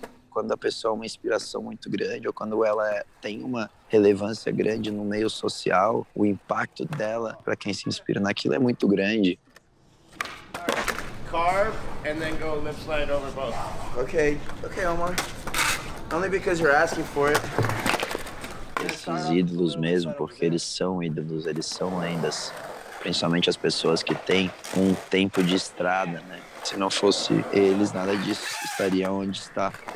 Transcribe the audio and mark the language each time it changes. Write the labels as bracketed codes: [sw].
[pt] Quando a pessoa é uma inspiração muito grande ou quando ela tem uma relevância grande no meio social, o impacto dela para quem se inspira naquilo é muito grande. [en] Carve and then go lip slide over both. Okay, Omar. Only because you're asking for it. [pt] Esses ídolos mesmo, porque eles são ídolos, eles são lendas, principalmente as pessoas que têm um tempo de estrada, né? Se não fosse eles, nada disso estaria onde está.